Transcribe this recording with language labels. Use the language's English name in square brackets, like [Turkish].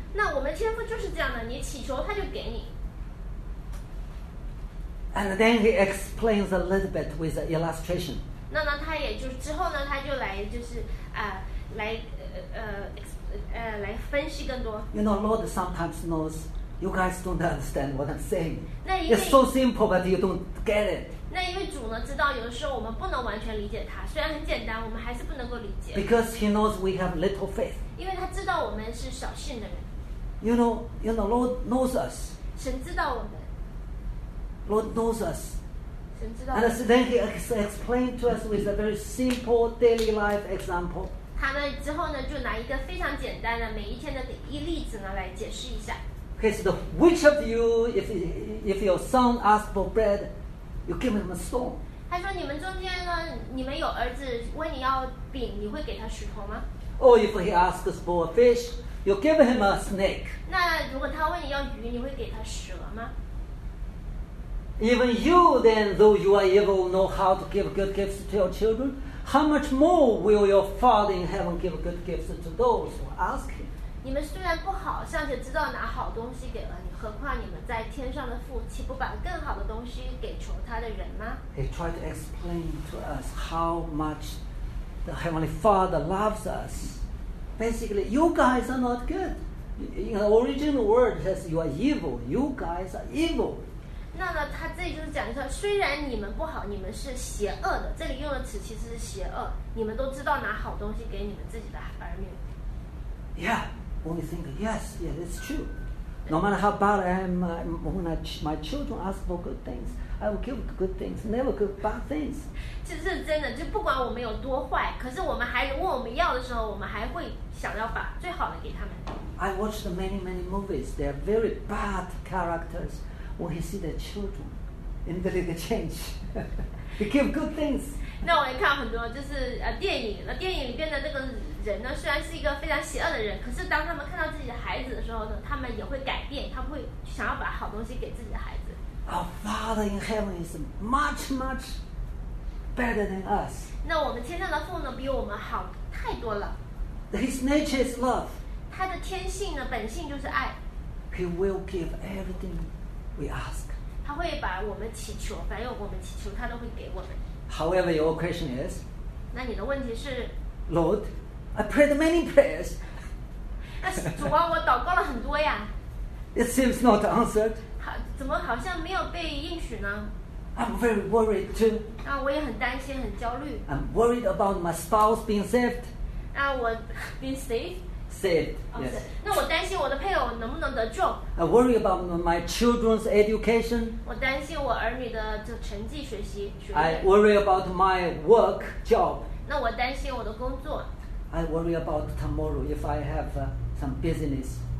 [Chinese] 那我们天父就是这样的，你祈求他就给你。 [English] And then he explains a little bit with the illustration. [Chinese] 那呢，他也就是之后呢，他就来就是来分析更多。 [English] You know, Lord sometimes knows. You guys don't understand what I'm saying. [Chinese] 那因为 [English] It's so simple, but you don't get it. [Chinese] 那因为主呢知道有的时候我们不能完全理解他，虽然很简单，我们还是不能够理解。 [English] Because he knows we have little faith. [Chinese] 因为他知道我们是小信的人。 [English] You know, Lord knows us. [Chinese] 神知道我们。 [English] Lord knows us. [Chinese] 神知道。 [English] And then he explained to us with a very simple daily life example. [Chinese] 他呢之后呢就拿一个非常简单的每一天的一例子呢来解释一下。 [English] Okay, so which of you, if your son asks for bread, you give him a stone? [Chinese] 他说你们中间呢，你们有儿子问你要饼，你会给他石头吗？ [English] Or if he asks for a fish, you give him a snake. [Chinese] 那如果他问你要鱼，你会给他蛇吗？ [English] Even you, then, though you are evil, know how to give good gifts to your children. How much more will your Father in heaven give good gifts to those who ask him? [Chinese] 你们虽然不好，尚且知道拿好东西给了你，何况你们在天上的父，岂不把更好的东西给求他的人吗 [English] ？He tried to explain to us how much the Heavenly Father loves us. Basically, you guys are not good. in the original word, it says you are evil. You guys are evil. [Chinese] 那么他这里就是讲说，虽然你们不好，你们是邪恶的。这里用的词其实是邪恶。你们都知道拿好东西给你们自己的儿女。 [English] Yeah, when we think, yes, yeah, that's true. No matter how bad I am, when my children ask for good things, I will give good things, never give bad things. [Chinese] 这是真的，就不管我们有多坏，可是我们还问我们要的时候，我们还会想要把最好的给他们。 [English] I watched many movies. They are very bad characters. When he see the children, immediately they change. He give good things. [Chinese] 那我也看很多，就是电影。那电影里边的那个人呢，虽然是一个非常邪恶的人，可是当他们看到自己的孩子的时候呢，他们也会改变，他们会想要把好东西给自己的孩子。 [English] Our Father in heaven is much better than us. [Chinese] 那我们天上的父呢，比我们好太多了。 [English] His nature is love. [Chinese] 他的天性呢，本性就是爱。 [English] He will give everything. We ask. [Chinese] 他会把我们祈求，凡有我们祈求，他都会给我们。 [English] However, your question is. [Chinese] 那你的问题是 [English] ？Lord, I prayed many prayers. [Chinese] 那主啊，我祷告了很多呀。 [English] It seems not answered. [Chinese] 怎么好像没有被应许呢 [English] ？I'm very worried too. [Chinese] 那我也很担心，很焦虑。 [English] I'm worried about my spouse being saved. [Chinese] 那我 [English] being saved. Saved, yes. [Chinese] 那我担心我的配偶能不能得救。 [English] I worry about my children's education. [Chinese] 我担心我儿女的成绩学习。 [English] I worry about my work job. [Chinese] 那我担心我的工作。 [English] I worry about tomorrow if I have some business.